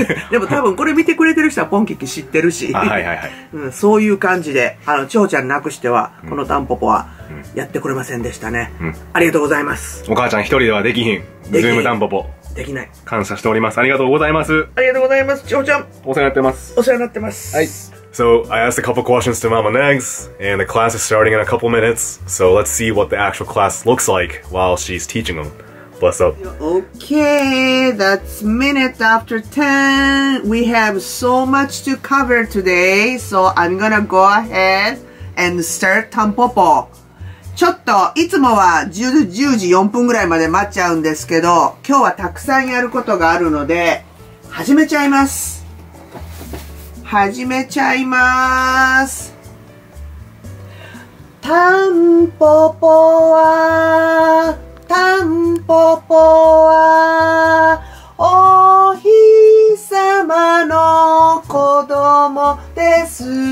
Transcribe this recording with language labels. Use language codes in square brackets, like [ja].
[ja] でも多分これ見てくれてる人はポンキッキ知ってるし。あ、はいはいはい、うん。そういう感じで、あの、蝶ちゃんなくしては、このタンポポはやってくれませんでしたね。うんうん、ありがとうございます。お母ちゃん一人ではできひん。ズームタンポポ。できない。感謝しております。ありがとうございます。ありがとうございます、蝶ちゃん。お世話になってます。お世話になってます。はい。 [en] So, I asked a couple questions to Mama Negs, and the class is starting in a couple minutes, so let's see what the actual class looks like while she's teaching them. Bless up. Okay, that's minute after 10. We have so much to cover today, so I'm gonna go ahead and start Tampopo. [ja] ちょっと、いつもは10時4分ぐらいまで待っちゃうんですけど、今日はたくさんやることがあるので、始めちゃいます。始めちゃいまーす。タンポポは、タンポポは、お日様の子供です。